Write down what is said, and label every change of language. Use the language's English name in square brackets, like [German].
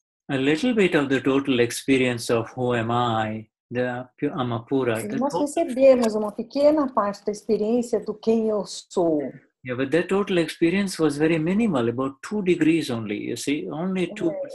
[English] a little bit of the total experience of who am I, the Amapura. [Portuguese] Nós recebemos uma pequena parte da experiência do quem eu sou. [English] Yeah, but that total experience was very minimal, about 2 degrees only, you see, only 2%.